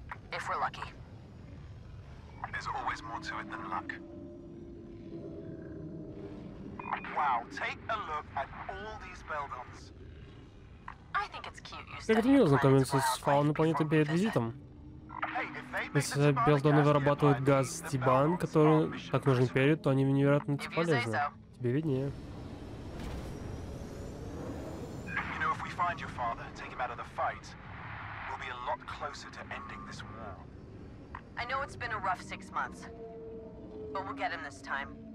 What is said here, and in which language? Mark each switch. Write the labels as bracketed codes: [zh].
[en] If we're lucky. There's always more to it than luck. Wow, take a look at all these Belgons. I think it's cute you said you planned this wild life before we visit. [ru] Если Белдоны вырабатывают газ Тибан, который так нужен Империи, то они невероятно полезны. Тебе виднее. [en] You know, if we find your father, take him out of the fight, we'll be a lot closer to ending this war. I know it's been a rough six months, but we'll get him this time.